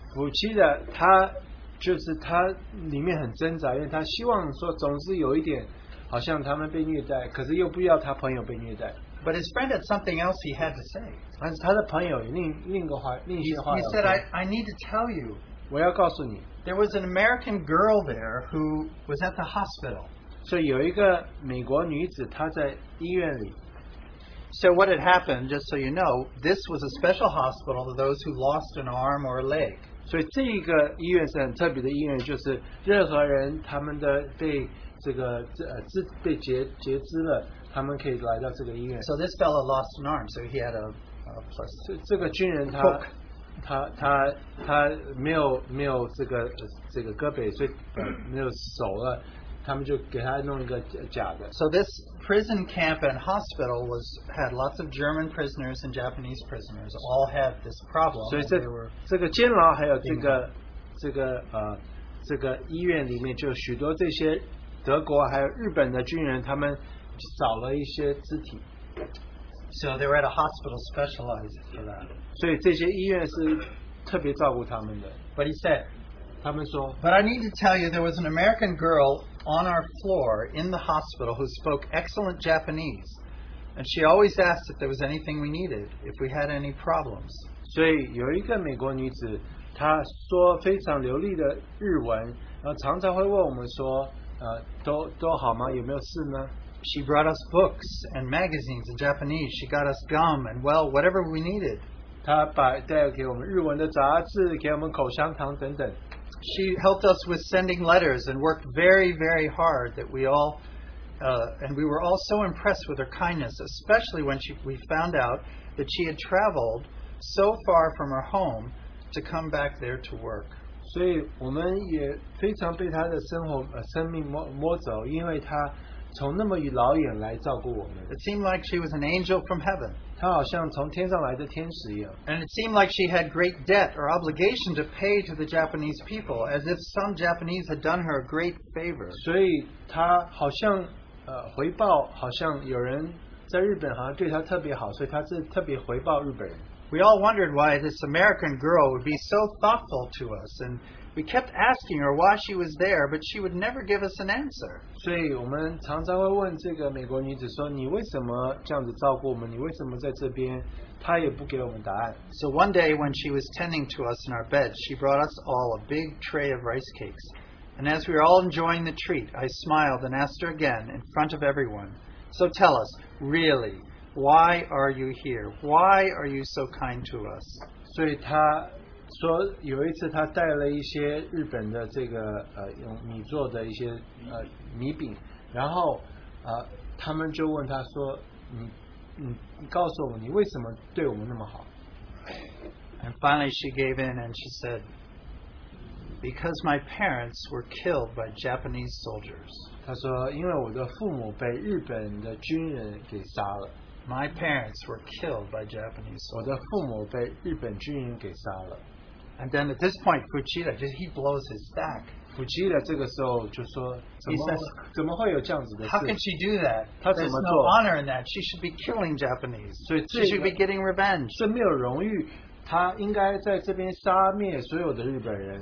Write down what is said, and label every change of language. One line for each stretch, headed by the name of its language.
Chinese: Fujita, 他就是他里面很挣扎，因为他希望说总是有一点好像他们被虐待，可是又不要他朋友被虐待。
English: But his friend had something else he had to say.
Chinese: 但是他的朋友有另一些话。
English: He said, I need to tell you.
Chinese: 我要告诉你。
English: There was an American girl there who was at the hospital.
Chinese: 所以有一个美国女子她在医院里。
English: So what had happened, just so you know, this was a special hospital for those who lost an arm or a leg.
Chinese: 所以这一个医院是很特别的医院，就是任何人他们的被这个被截肢了，他们可以来到这个医院。
English: So this fellow lost an arm, so he had a plus.
Chinese: 这个军人他 他没有这个胳膊，所以没有手了，他们就给他弄一个假的。
English: So this prison camp and hospital had lots of German prisoners and Japanese prisoners all had this problem.
Chinese: 所以这个监牢还有这个医院里面就许多这些德国还有日本的军人他们少了一些肢体。
English: So they were at a hospital specialized for that.
Chinese: 所以这些医院是特别照顾他们的。
English: But he said,
Chinese: 他们说
English: But I need to tell you there was an American girl. On our floor in the hospital, who spoke excellent Japanese, and she always asked if there was anything we needed, if we had any problems.
Chinese: 所以有一个美国女子，她说非常流利的日文，然后常常会问我们说，都好吗？有没有事呢？
English: She brought us books and magazines in Japanese. She got us gum and well, whatever we needed.
Chinese: 她带给我们日文的杂志，给我们口香糖等等。
English: She helped us with sending letters and worked very, very hard that we all, and we were all so impressed with her kindness, especially when we found out that she had traveled so far from her home to come back there to work.
Chinese: 所以我们也非常被她的生命摸走，因为她从那么老远来照顾我们。
English: It seemed like she was an angel from heaven.
Chinese: 她好像从天上来的天使一样。
English: And it seemed like she had great debt or obligation to pay to the Japanese people, as if some Japanese had done her a great favor.
Chinese: 所以她好像回报，好像有人在日本好像对她特别好，所以她是特别回报日本人。
English: We all wondered why this American girl would be so thoughtful to us and. We kept asking her why she was there, but she would never give us an answer.
Chinese: 所以我们常常会问这个美国女子说，你为什么这样子照顾我们？你为什么在这边？她也不给我们答案。
English: So one day when she was tending to us in our bed, she brought us all a big tray of rice cakes. And as we were all enjoying the treat, I smiled and asked her again in front of everyone. So tell us, really, why are you here? Why are you so kind to us?
Chinese: 所以她说有一次他带了一些日本的这个用米做的一些米饼，然后他们就问他说你告诉我们你为什么对我们那么好。
English: And finally she gave in and she said, because my parents were killed by Japanese soldiers.
Chinese: 他说因为我的父母被日本的军人给杀了。
English: My parents were killed by Japanese soldiers.
Chinese: 我的父母被日本军人给杀了。
English: And then at this point, Fujita, he blows his stack.
Chinese: Fujita 这个时候就说 怎么会有这样子的事
English: How can she do that?
Chinese: 他怎么做
English: There's no honor in that. She should be killing Japanese. So she should be getting revenge.
Chinese: 是没有荣誉他应该在这边杀灭所有的日本人